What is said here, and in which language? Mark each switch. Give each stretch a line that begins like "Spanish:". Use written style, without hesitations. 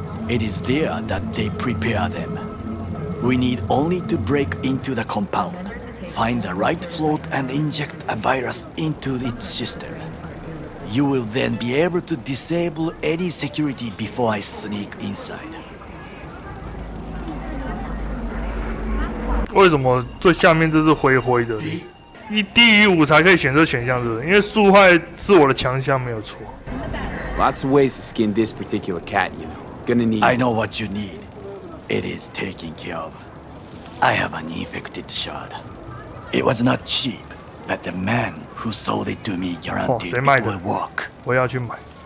English: It is there that they prepare them. We need only to break into the compound, find the right float and inject a virus into its system. You will then be able to disable any security before I sneak inside.
Chinese: 为什么最下面这是灰灰的？一低于五才可以选择选项，是不是？因为速派是我的强项，没有错。
English: Lots of ways to skin this particular cat, you know. Gonna need. I know what you need. It is taken care of. I have an infected shard. It was not cheap, but the man who sold it to me guaranteed it will work.
Chinese: 我要去买。